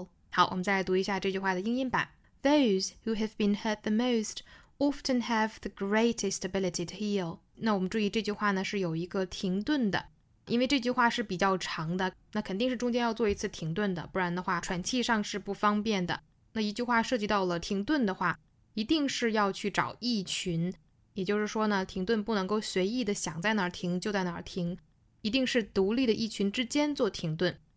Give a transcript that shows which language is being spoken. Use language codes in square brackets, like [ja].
[zh] 好，我们再来读一下这句话的英音版。 [en] Those who have been hurt the most often have the greatest ability to heal. [zh] 那我们注意这句话呢是有一个停顿的，因为这句话是比较长的，那肯定是中间要做一次停顿的，不然的话喘气上是不方便的。那一句话涉及到了停顿的话一定是要去找意群，也就是说呢停顿不能够随意的想在哪儿停就在哪儿停，一定是独立的意群之间做停顿。